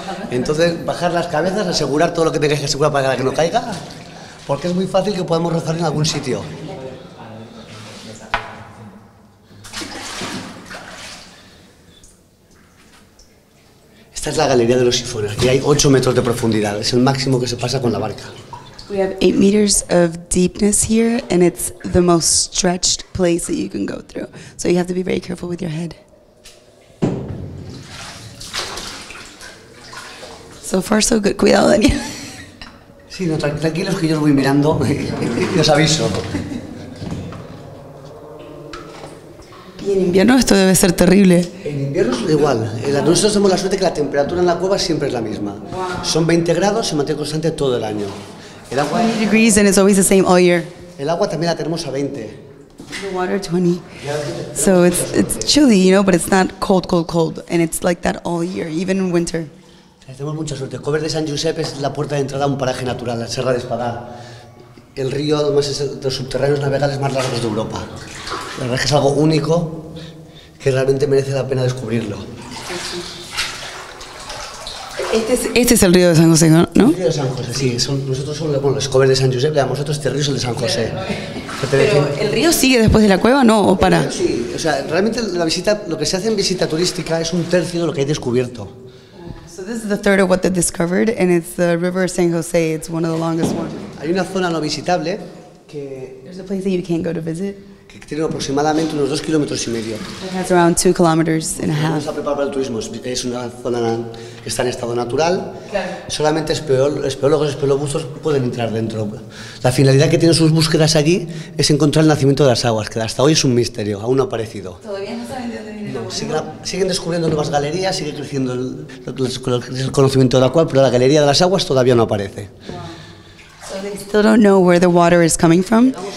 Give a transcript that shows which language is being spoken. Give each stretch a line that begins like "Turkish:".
Spanish: Entonces, bajar las cabezas, asegurar todo lo que tengáis que asegurar para que no caiga, porque es muy fácil que podamos rozar en algún sitio. Esta es la galería de los sifones y hay 8 metros de profundidad. Es el máximo que se pasa con la barca.
English: We have 8 meters of deepness here, and it's the most stretched place that you can go through. So you have to be very careful with your head. So far, so good.
Spanish: Cuidado,
English: Daniel.
Spanish: Sí, no, tranquilos que yo os voy mirando y os aviso. Y en invierno esto debe ser terrible. En invierno es igual. Nosotros tenemos la suerte que la temperatura en la cueva siempre es la misma. Wow. Son 20 grados, se mantiene constante todo el año. El agua,
English: 20 degrees and it's always the same all year.
Spanish: El agua también la tenemos a 20.
English: The water 20. So it's chilly, you know, but it's not cold, cold, cold. And it's like that all year, even in winter.
Spanish: Tenemos mucha suerte. El Cover de San Giuseppe es la puerta de entrada a un paraje natural, la Serra de Espadà. El río además es de los subterráneos navegables más largos de Europa. La verdad es que es algo único que realmente merece la pena descubrirlo. Este es el río de San José, ¿no? El río de San José, sí. Nosotros somos bueno, los Cover de San José, pero nosotros este río es el de San José. Pero ¿el río sigue después de la cueva, no? ¿O para? Sí, o sea, realmente la visita, lo que se hace en visita turística es un tercio de lo que hay descubierto.
English: So this is the third of what they discovered, and it's the River of San José. It's one of the longest ones.
Spanish: Hay una zona no visitable que...
English: There's a place that you can't go to visit.
Spanish: Que tiene aproximadamente unos 2.5 kilómetros.
English: It has around 2.5 kilometers.
Spanish: No está preparado para el turismo, es una zona que está en estado natural. Claro. Solamente espeleólogos, espeleobuzos pueden entrar dentro. La finalidad que tienen sus búsquedas allí es encontrar el nacimiento de las aguas, que hasta hoy es un misterio, aún no ha aparecido. Todavía no saben de dónde viene. Siguen descubriendo nuevas galerías, sigue creciendo el conocimiento de la cual, pero la galería de las aguas todavía no aparece.
English: So they still don't know where the water is coming from.